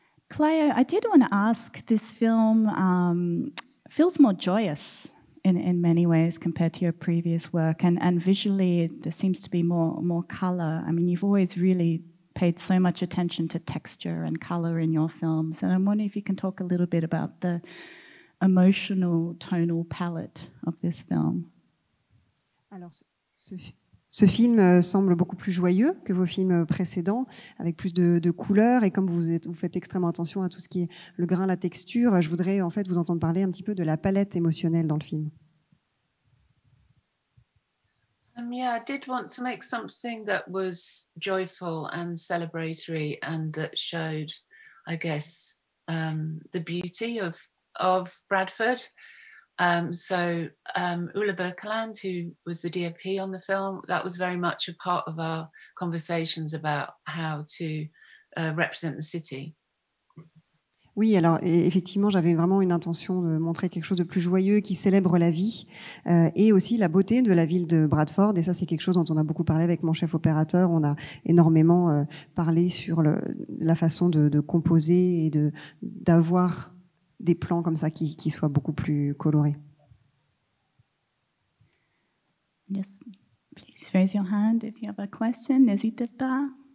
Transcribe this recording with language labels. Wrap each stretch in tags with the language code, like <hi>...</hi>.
<en>Cléo, I did want to ask, this film feels more joyous in many ways compared to your previous work, and visually there seems to be more colour. I mean, you've always really paid so much attention to texture and color in your films, and I'm wondering if you can talk a little bit about the emotional tonal palette of this film.</en> <fr>Alors, ce film semble beaucoup plus joyeux que vos films précédents, avec plus de couleurs. Et comme vous faites extrêmement attention à tout ce qui est le grain, la texture, je voudrais en fait vous entendre parler un petit peu de la palette émotionnelle dans le film.</fr> <en>Yeah, I did want to make something that was joyful and celebratory, and that showed, I guess, the beauty of Bradford. So Ulla Birkeland, who was the DOP on the film, that was very much a part of our conversations about how to represent the city.</en> <fr>Oui, alors effectivement, j'avais vraiment une intention de montrer quelque chose de plus joyeux qui célèbre la vie et aussi la beauté de la ville de Bradford. Et ça, c'est quelque chose dont on a beaucoup parlé avec mon chef opérateur. On a énormément parlé sur la façon de composer et d'avoir des plans comme ça qui soient beaucoup plus colorés.</fr> <en>Yes, please raise your hand if you have a question.</en> <fr>N'hésitez pas.</fr>